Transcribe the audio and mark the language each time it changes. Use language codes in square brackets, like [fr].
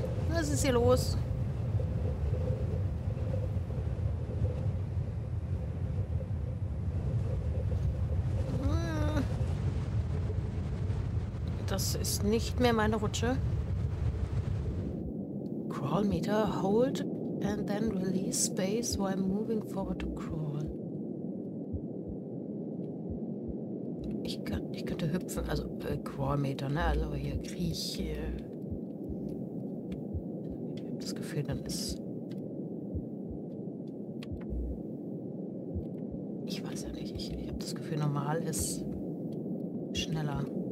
[de] Was ist hier los? Das ist nicht mehr meine Rutsche. [en] Crawl Meter, hold and then release space while moving forward to crawl. [de] Ich könnte hüpfen, also Crawl Meter, ne? Also hier krieche. Ich hab das Gefühl, dann ist. Ich weiß ja nicht, ich hab das Gefühl, normal ist schneller.